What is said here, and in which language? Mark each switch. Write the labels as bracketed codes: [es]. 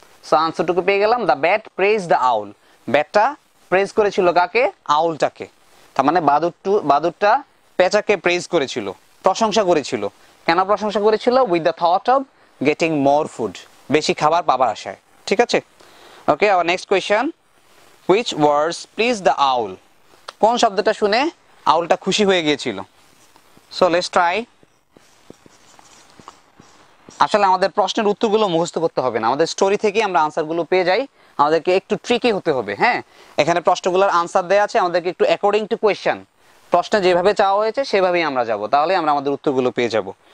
[bn] So আনসারটুকু পেয়ে গেলাম, [en] The bat praise the owl. [bn] ব্যাটটা প্রেজ করেছিল কাকে? আউলটাকে. তার মানে বাদুরটা পেঁচাকে প্রেজ করেছিল, প্রশংসা করেছিল. কেন প্রশংসা করেছিল? [en] with the thought of getting more food, [bn] বেশি খাবার পাবার আশায়, ঠিক আছে? [en] Okay, আবার next question, which words please the owl? [bn] কোন শব্দটা শুনে আউলটা খুশি হয়ে গিয়েছিল? [en] So let's try. [bn] আসলে আমাদের প্রশ্নের উত্তরগুলো মুখস্থ করতে হবে না, আমাদের স্টোরি থেকেই আমরা আনসারগুলো পেয়ে যাই। আমাদেরকে একটু ট্রিকি হতে হবে, হ্যাঁ। এখানে প্রশ্নগুলোর আনসার দেওয়া আছে, আমাদেরকে একটু অ্যাকর্ডিং টু কোয়েশ্চন প্রশ্ন যেভাবে চাওয়া হয়েছে সেভাবেই আমরা যাব, তাহলে আমরা আমাদের উত্তরগুলো পেয়ে যাব।